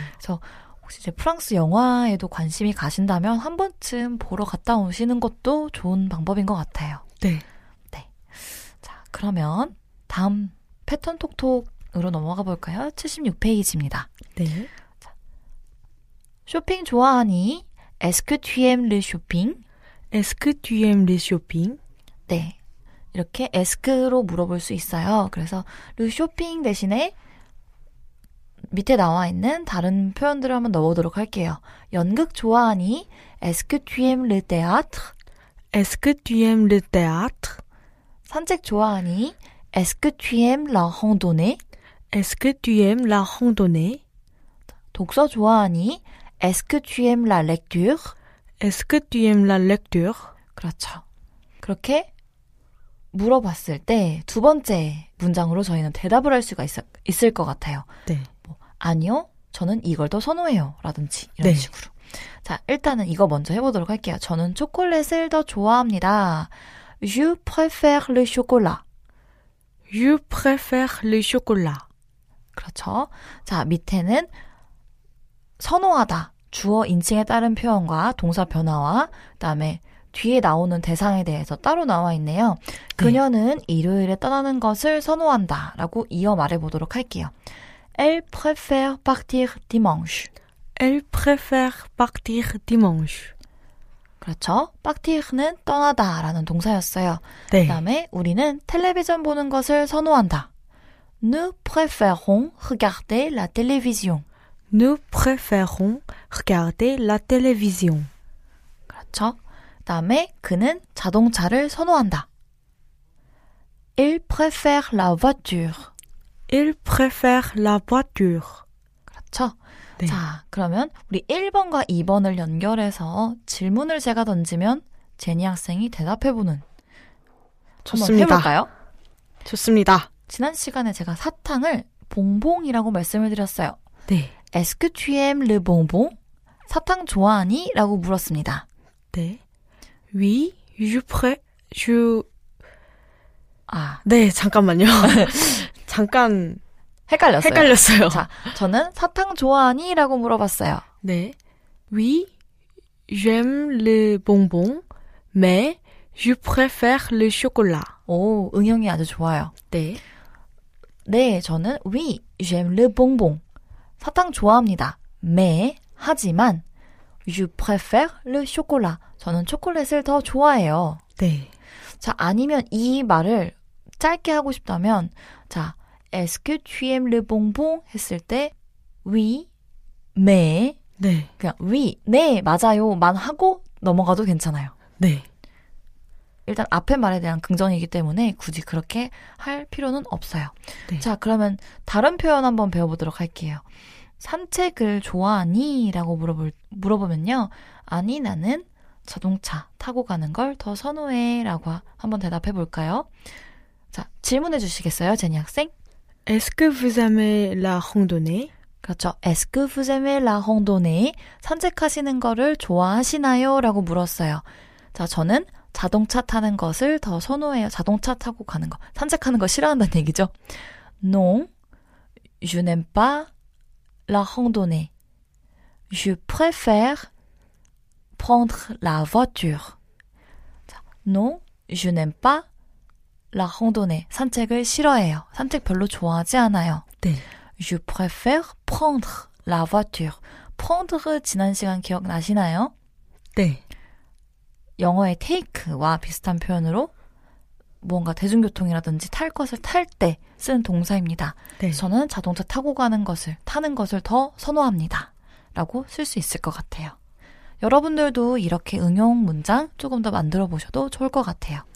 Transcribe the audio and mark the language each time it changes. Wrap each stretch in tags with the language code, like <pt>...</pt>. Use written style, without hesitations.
<ko>그래서 혹시 이제 프랑스 영화에도 관심이 가신다면 한 번쯤 보러 갔다 오시는 것도 좋은 방법인 것 같아요. 네. 네. 자, 그러면 다음 패턴톡톡으로 넘어가 볼까요? 76페이지입니다. 네. 쇼핑 좋아하니?</ko> <fr>Est-ce que tu aimes le shopping? Est-ce que tu aimes le shopping?</fr> <ko>네. 이렇게 est-ce로 물어볼 수 있어요. 그래서 le shopping 대신에 밑에 나와 있는 다른 표현들을 한번 넣어보도록 할게요. 연극 좋아하니?</ko> <fr>Est-ce que tu aimes le théâtre? Est-ce que tu aimes le théâtre?</fr> <ko>산책 좋아하니?</ko> <fr>Est-ce que tu aimes la randonnée? Est-ce que tu aimes la randonnée?</fr> <ko>독서 좋아하니?</ko> <fr>Est-ce que tu aimes la lecture? Est-ce que tu aimes la lecture?</fr> <ko>그렇죠. 그렇게 물어봤을 때 두 번째 문장으로 저희는 대답을 할 수가 있을 것 같아요. 네. 아니요, 저는 이걸 더 선호해요. 라든지 이런 네. 식으로. 자, 일단은 이거 먼저 해보도록 할게요. 저는 초콜릿을 더 좋아합니다.</ko> <fr>Je préfère le chocolat. Je préfère le chocolat.</fr> <ko>그렇죠. 자, 밑에는 선호하다, 주어 인칭에 따른 표현과 동사 변화와 그다음에 뒤에 나오는 대상에 대해서 따로 나와 있네요. 그녀는 네. 일요일에 떠나는 것을 선호한다 라고 이어 말해보도록 할게요.</ko> <fr>Elle préfère partir dimanche. Elle préfère partir dimanche.</fr> <ko>그렇죠. Partir는 떠나다 라는 동사였어요. 네. 그 다음에 우리는 텔레비전 보는 것을 선호한다.</ko> <fr>Nous préférons regarder la télévision. Nous préférons regarder la télévision.</fr> <ko>그렇죠. 그 다음에 그는 자동차를 선호한다.</ko> <fr>Il préfère la voiture. Il préfère la voiture.</fr> <ko>그렇죠. 네. 자, 그러면 우리 1번과 2번을 연결해서 질문을 제가 던지면 제니 학생이 대답해보는 좋습니다. 한번 해볼까요? 좋습니다. 지난 시간에 제가 사탕을 봉봉이라고 말씀을 드렸어요. 네.</ko> <fr>Est-ce que tu aimes le bonbon?</fr> <ko>사탕 좋아하니? 라고 물었습니다. 네.</ko> <fr>Oui, je préfère, je...</fr> <ko>아. 네, 잠깐만요. 잠깐. 헷갈렸어요. 헷갈렸어요. 자, 저는 사탕 좋아하니? 라고 물어봤어요. 네.</ko> <fr>Oui, j'aime le bonbon, mais je préfère le chocolat.</fr> <ko>오, 응용이 아주 좋아요. 네. 네, 저는</ko> <fr>oui, j'aime le bonbon.</fr> <ko>사탕 좋아합니다.</ko> <fr>mais,</fr> <ko>하지만,</ko> <fr>je préfère le chocolat.</fr> <ko>저는 초콜릿을 더 좋아해요. 네. 자, 아니면 이 말을 짧게 하고 싶다면, 자,</ko> <fr>Est-ce que tu aimes le bonbon?</fr> <ko>했을 때,</ko> <fr>oui, mais.</fr> <ko>네. 그냥, oui, 네, 맞아요. 만 하고 넘어가도 괜찮아요. 네. 일단, 앞에 말에 대한 긍정이기 때문에 굳이 그렇게 할 필요는 없어요. 네. 자, 그러면 다른 표현 한번 배워보도록 할게요. 산책을 좋아하니? 라고 물어보면요. 아니, 나는 자동차 타고 가는 걸 더 선호해. 라고 한번 대답해 볼까요? 자, 질문해 주시겠어요, 제니 학생?</ko> <fr>Est-ce que vous aimez la randonnée?</fr> <ko>그렇죠.</ko> <fr>Est-ce que vous aimez la randonnée?</fr> <ko>산책하시는 거를 좋아하시나요? 라고 물었어요. 자, 저는 자동차 타는 것을 더 선호해요. 자동차 타고 가는 거. 산책하는 거 싫어한다는 얘기죠.</ko> <fr>Non, je n'aime pas la randonnée. Je préfère prendre la voiture. Non, je n'aime pas La randonnée,</fr> <ko>산책을 싫어해요. 산책 별로 좋아하지 않아요. 네.</ko> <fr>Je préfère prendre la voiture.</fr> <ko>Prendre 지난 시간 기억나시나요? 네. 영어의 take와 비슷한 표현으로 뭔가 대중교통이라든지 탈 것을 탈 때 쓰는 동사입니다. 네. 저는 자동차 타고 가는 것을, 타는 것을 더 선호합니다. 라고 쓸 수 있을 것 같아요. 여러분들도 이렇게 응용 문장 조금 더 만들어 보셔도 좋을 것 같아요.</ko>